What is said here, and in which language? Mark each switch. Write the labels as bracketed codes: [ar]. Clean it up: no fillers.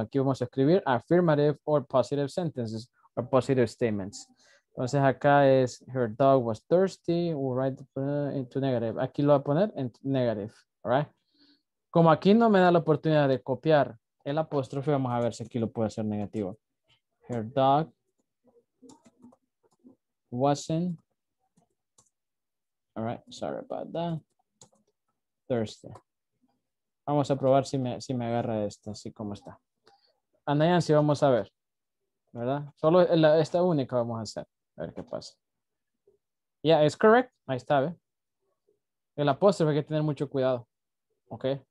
[es] Aquí vamos a escribir [en] affirmative or positive sentences or positive statements. [es] Entonces acá es, [en] her dog was thirsty, we'll write into negative. [es] Aquí lo voy a poner en negative, [en] all right? [es] Como aquí no me da la oportunidad de copiar el apóstrofe, vamos a ver si aquí lo puedo hacer negativo. [en] Her dog wasn't, all right, sorry about that, thirsty. [es] Vamos a probar si me agarra esta, así como está. Anayan, si vamos a ver, ¿verdad? Solo esta única vamos a hacer. A ver qué pasa. [en] Yeah, it's correct. [es] Ahí está, ¿ve? El apóstrofe, hay que tener mucho cuidado. Ok.